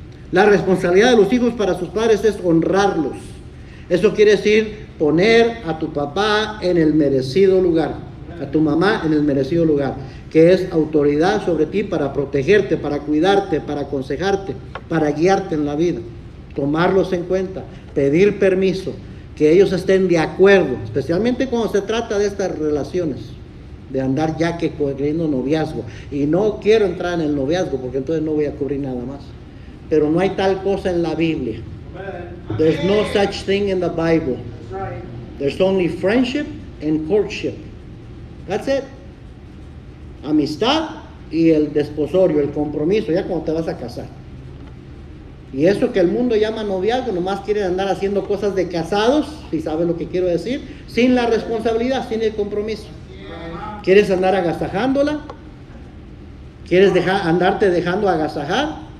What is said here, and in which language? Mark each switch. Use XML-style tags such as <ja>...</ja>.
<es>La responsabilidad de los hijos para sus padres es honrarlos. Eso quiere decir poner a tu papá en el merecido lugar, a tu mamá en el merecido lugar, que es autoridad sobre ti para protegerte, para cuidarte, para aconsejarte, para guiarte en la vida. Tomarlos en cuenta, pedir permiso, que ellos estén de acuerdo, especialmente cuando se trata de estas relaciones, de andar ya que cubriendo noviazgo. Y no quiero entrar en el noviazgo porque entonces no voy a cubrir nada más. Pero no hay tal cosa en la Biblia.</es> <en>There's no such thing in the Bible. There's only friendship and courtship. That's it.</en> <es>Amistad y el desposorio, el compromiso, ya cuando te vas a casar. Y eso que el mundo llama noviazgo, nomás quiere andar haciendo cosas de casados, si sabes lo que quiero decir, sin la responsabilidad, sin el compromiso. ¿Quieres andar agasajándola? ¿Quieres dejar, andarte dejando agasajar?</es>